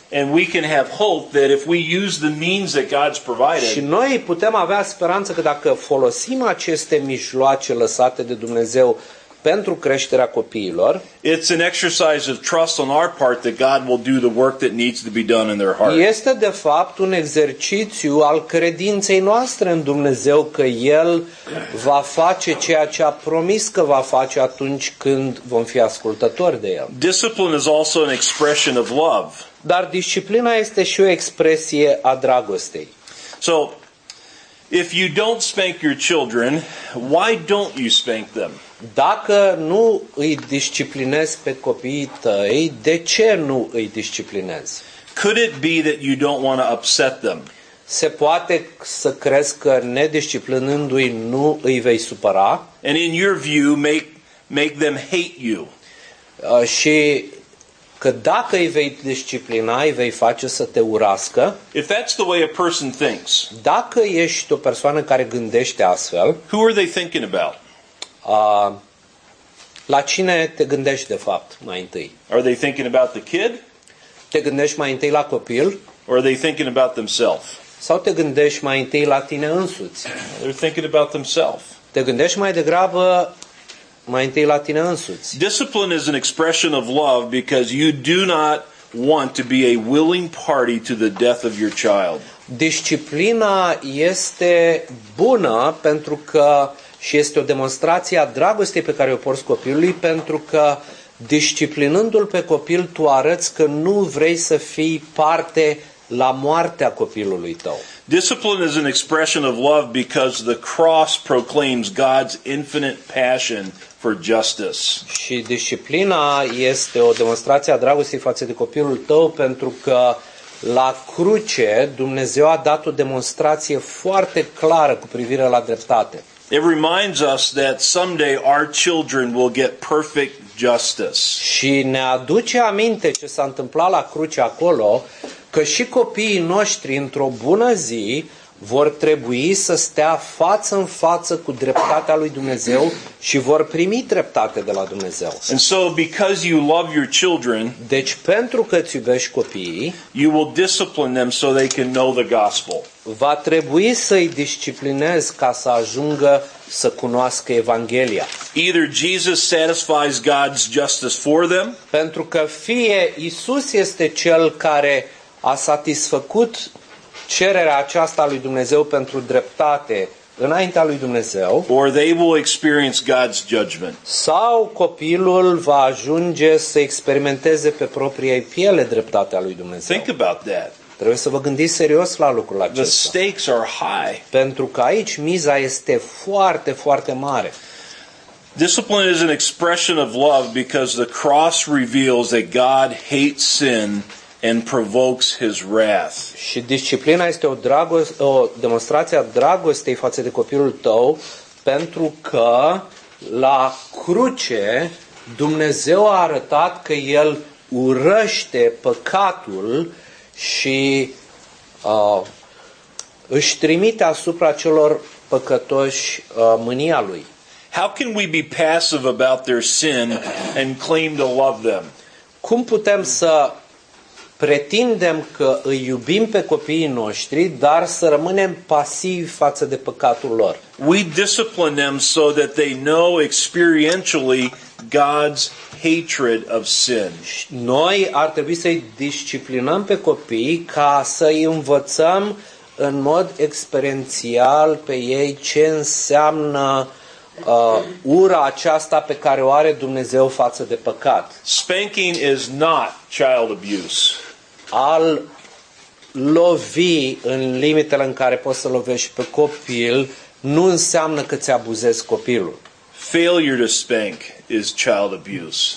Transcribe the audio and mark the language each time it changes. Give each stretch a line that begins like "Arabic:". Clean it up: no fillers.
English: And we can have hope that if we use the means that God's provided.
Romanian: Și noi putem avea speranța că dacă folosim aceste mijloace lăsate de Dumnezeu pentru creșterea copiilor,
English: it's an exercise of trust on our part that God will do the work that needs to be done in their heart.
Romanian: Este de fapt un exercițiu al credinței noastre în Dumnezeu că El va face ceea ce a promis că va face atunci când vom fi ascultători de El.
English: Discipline is also an expression of love.
Romanian: Dar disciplina este și o expresie a dragostei.
English: So, if you don't spank your children, why don't you spank them?
Romanian: Dacă nu îi disciplinezi pe copiii tăi, de ce nu îi disciplinezi?
English: Could it be that you don't want to upset them?
Romanian: Se poate să crezi că nedisciplinându-i nu îi vei supăra?
English: And in your view, make them hate you.
Romanian: Și că dacă îi vei disciplina, îi vei face să te urască.
English: If that's the way a person thinks.
Romanian: Dacă ești o persoană care gândește astfel.
English: Who are they thinking about?
Romanian: La cine te gândești de fapt mai întâi?
English: Are they thinking about the kid?
Romanian: Te gândești mai întâi la copil?
English: Or are they thinking about themselves?
Romanian: Sau te gândești mai întâi la tine însuți?
English: They're thinking about themselves.
Romanian: Te gândești mai degrabă mai întâi la tine însuți.
English: Discipline is an expression of love because you do not want to be a willing party to the death of your child.
Romanian: Disciplina este bună pentru că și este o demonstrație a dragostei pe care o porți copilului, pentru că disciplinându-l pe copil tu arăți că nu vrei să fii parte la moartea copilului tău.
English: Discipline is an expression of love because the cross proclaims God's infinite passion for justice.
Romanian: Și disciplina este o demonstrație a dragostei față de copilul tău pentru că la cruce Dumnezeu a dat o demonstrație foarte clară cu privire la dreptate.
English: It reminds us that someday our children will get perfect justice.
Romanian: Și ne aduce aminte ce s-a întâmplat la cruce acolo, că și copiii noștri într-o bună zi vor trebui să stea față în față cu dreptatea lui Dumnezeu și vor primi dreptate de la Dumnezeu.
English: And so because you love your children,
Romanian: deci pentru că îți iubești copiii,
English: you will discipline them so they can know the gospel.
Romanian: Va trebui să îi disciplinezi ca să ajungă să cunoască Evanghelia.
English: Either Jesus satisfies God's justice for them,
Romanian: pentru că fie Isus este cel care a satisfăcut cererea aceasta lui Dumnezeu pentru dreptate înaintea lui Dumnezeu.
English: Or they will experience God's judgment.
Romanian: Sau copilul va ajunge să experimenteze pe propria piele dreptatea lui Dumnezeu.
English: Think about that.
Romanian: Trebuie să vă gândiți serios la lucrul acesta.
English: The stakes are high.
Romanian: Pentru că aici miza este foarte, foarte mare.
English: Discipline is an expression of love because the cross reveals that God hates sin and provokes his wrath.
Romanian: Și disciplina este o demonstrație a dragostei față de copilul tău, pentru că la cruce Dumnezeu a arătat că el urăște păcatul și își trimite asupra celor păcătoși mânia lui.
English: How can we be passive about their sin and claim to love them?
Romanian: Cum putem să pretindem că îi iubim pe copiii noștri, dar să rămânem pasivi față de păcatul lor?
English: We discipline them so that they know experientially God's hatred of sin.
Romanian: Noi ar trebui să-i disciplinăm pe copii ca să-i învățăm în mod experiențial pe ei ce înseamnă ura aceasta pe care o are Dumnezeu față de păcat.
English: Spanking is not child abuse.
Romanian: Al lovi în limitele în care poți să lovești pe copil nu înseamnă că ți abuzezi copilul.
English: Failure to spank is child abuse.